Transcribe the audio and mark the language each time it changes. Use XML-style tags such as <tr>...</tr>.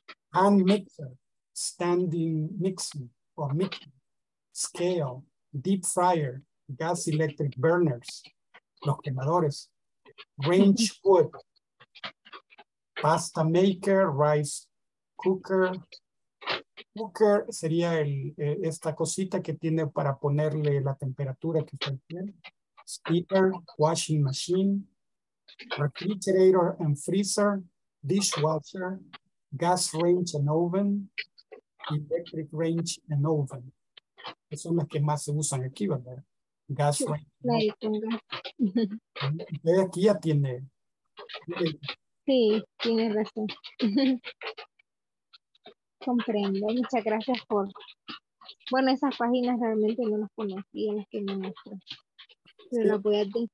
<en>hand mixer, standing mixing or mixing, scale, deep fryer, gas electric burners,</en> <es>los quemadores,</es> <en>range hood, pasta maker, rice cooker.</en> <es>Cooker sería esta cosita que tiene para ponerle la temperatura que usted tiene.</es> <en>Steamer, washing machine, refrigerator and freezer, dishwasher, gas range and oven, electric range and oven.</en> <es>Esas son las que más se usan aquí, ¿verdad? Gas sí, range. Usted aquí ya tiene. Sí, tiene razón. Comprendo. Muchas gracias por. Bueno, esas páginas realmente no las conocí, las que me muestro. Pero sí.</es>